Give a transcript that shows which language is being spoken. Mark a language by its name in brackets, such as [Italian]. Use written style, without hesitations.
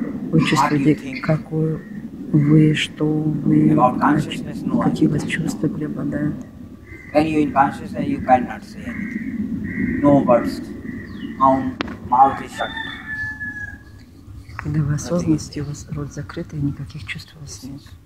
[Russian] Вы чувствуете, какой вы, что вы, какие у вас чувства преобладают. [English] When you're in consciousness, you cannot say anything. No words. Mouth is shut. [Russian] Когда вы осознанности, у вас рот закрыт, и никаких чувств у вас нет.